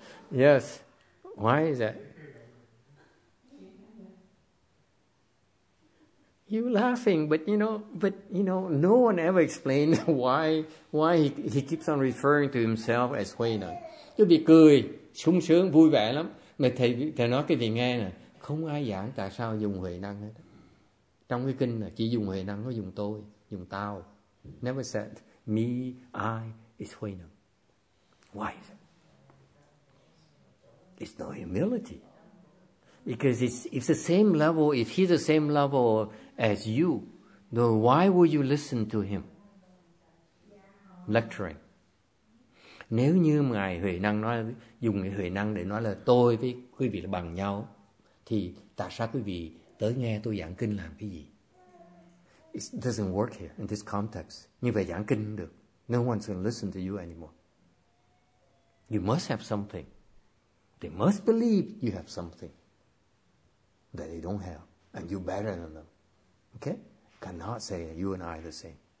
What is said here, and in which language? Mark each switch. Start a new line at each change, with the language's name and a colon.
English: Yes. Why is that? You laughing, but you know, no one ever explained why he keeps on referring to himself as Huy Năng.
Vietnamese: Tôi bị cười, sung sướng, vui vẻ lắm. Mà thầy nói cái gì nghe nè. Không ai giảng tại sao dùng Huệ Năng hết. Trong cái kinh là chỉ dùng Huệ Năng, có dùng tôi, dùng tao.
English: Never said, me, I, is Huệ Năng. Why is that? It's not humility. Because it's the same level, if he's the same level as you, then why would you listen to him lecturing?
Vietnamese: Nếu như Ngài Huệ Năng nói, dùng Huệ Năng để nói là tôi với quý vị là bằng nhau, thì tại sao quý vị tới nghe tôi giảng kinh làm cái gì?
English: It doesn't work here in this context.
Vietnamese: Như vậy giảng kinh được.
English: No one's going to listen to you anymore. You must have something. They must believe you have something that they don't have. And you're better than them. Okay? Cannot say that you and I are the same.